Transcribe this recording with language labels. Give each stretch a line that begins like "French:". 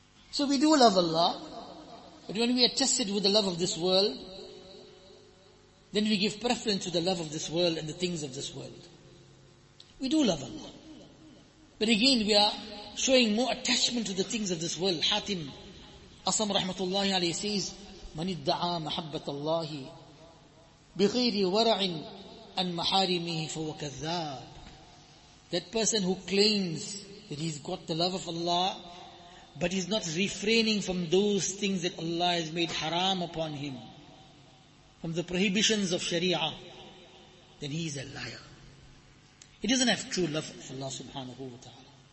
English: So we do love Allah, but when we are tested with the love of this world, then we give preference to the love of this world and the things of this world. We do love Allah. But again, we are showing more attachment to the things of this world.
Arabic: Hatim Asam rahmatullahi alayhi says, من ادعى محبة الله بغير ورع أن محارمه فهو كذاب.
English: That person who claims that he's got the love of Allah, but he's not refraining from those things that Allah has made haram upon him, from the prohibitions of Sharia, then he is a liar. He doesn't have true love for Allah subhanahu wa ta'ala.